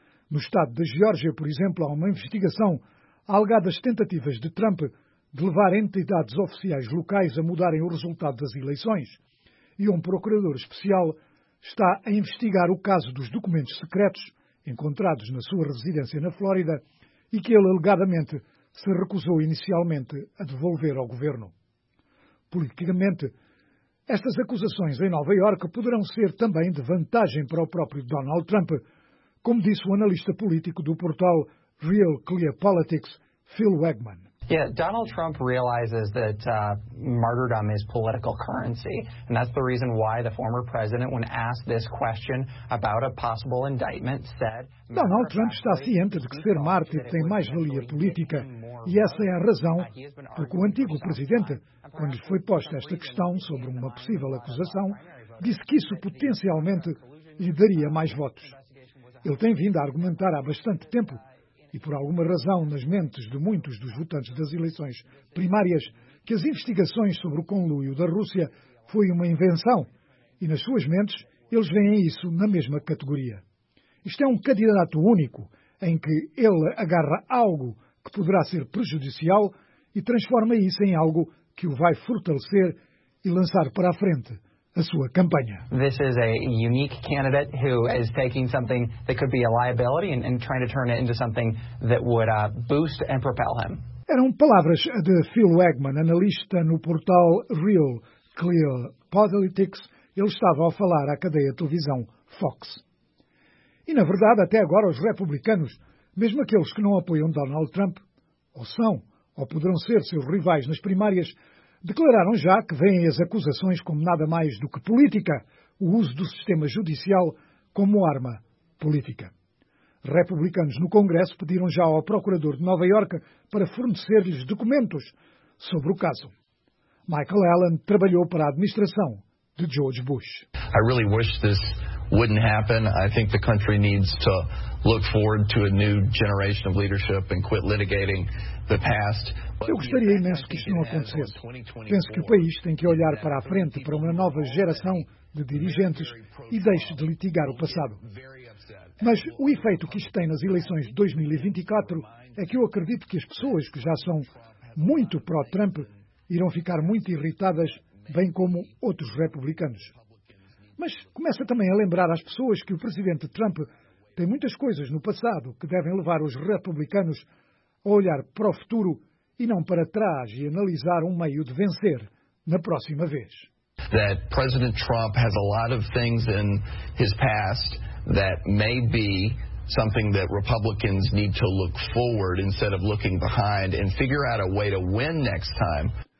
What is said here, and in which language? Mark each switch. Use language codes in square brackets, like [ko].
[pt] No estado da Geórgia, por exemplo, há uma investigação a alegadas tentativas de Trump de levar entidades oficiais locais a mudarem o resultado das eleições, e um procurador especial está a investigar o caso dos documentos secretos encontrados na sua residência na Flórida e que ele alegadamente se recusou inicialmente a devolver ao governo. Politicamente, estas acusações em Nova Iorque poderão ser também de vantagem para o próprio Donald Trump, como disse o analista político do portal Real Clear Politics, Phil Wegman. [en] Yeah, Donald Trump realizes that martyrdom is political currency, and that's the reason why the former president, when asked this question about a possible indictment, said. [pt] Donald Trump está ciente de que ser mártir tem mais valia política, e essa é a razão por que o antigo presidente, quando lhe foi posta esta questão sobre uma possível acusação, disse que isso potencialmente lhe daria mais votos. Ele tem vindo a argumentar há bastante tempo, e por alguma razão nas mentes de muitos dos votantes das eleições primárias, que as investigações sobre o conluio da Rússia foi uma invenção, e nas suas mentes eles veem isso na mesma categoria. Isto é um candidato único em que ele agarra algo que poderá ser prejudicial e transforma isso em algo que o vai fortalecer e lançar para a frente a sua campanha. [en] This is a unique candidate who is taking something that could be a liability and trying to turn it into something that would boost and propel him. [pt] Eram palavras de Phil Wegman, analista no portal Real Clear Politics. Ele estava a falar à cadeia de televisão Fox. E, na verdade, até agora, os republicanos, mesmo aqueles que não apoiam Donald Trump, ou são, ou poderão ser seus rivais nas primárias, declararam já que veem as acusações como nada mais do que política, o uso do sistema judicial como arma política. Republicanos no Congresso pediram já ao procurador de Nova Iorque para fornecer-lhes documentos sobre o caso. Michael Allen trabalhou para a administração de George Bush. [en] I really wish this wouldn't happen. I think the country needs to look forward to a new generation of leadership and quit litigating the past. [pt] Eu gostaria imenso que isto não acontecesse. Penso que o país tem que olhar para a frente, para uma nova geração de dirigentes e deixe de litigar o passado. Mas o efeito que isto tem nas eleições de 2024 é que eu acredito que as pessoas que já são muito pró-Trump irão ficar muito irritadas, bem como outros republicanos. Mas começa também a lembrar às pessoas que o presidente Trump tem muitas coisas no passado que devem levar os republicanos a olhar para o futuro e não para trás e analisar um meio de vencer na próxima vez. [en] That President Trump has a lot of things in his past that may be something that Republicans need to look forward instead of looking behind and figure out a way to win next time.